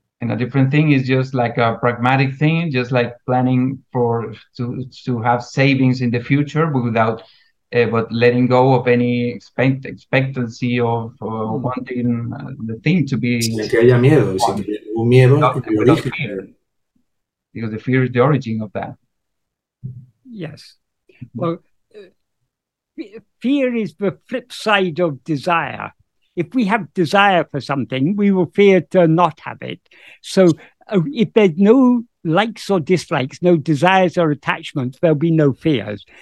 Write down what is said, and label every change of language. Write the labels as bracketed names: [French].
[English] And a different thing is just like a pragmatic thing, just like planning for to have savings in the future without but letting go of any expectancy of wanting the thing to be. [Spanish] Que haya miedo, sin un miedo en el origen. [English] Because the fear is the origin of that. Yes. Well, fear is the flip side of desire. If we have desire for something, we will fear to not have it. So if there's no likes or dislikes, no desires or attachments, there'll be no fears.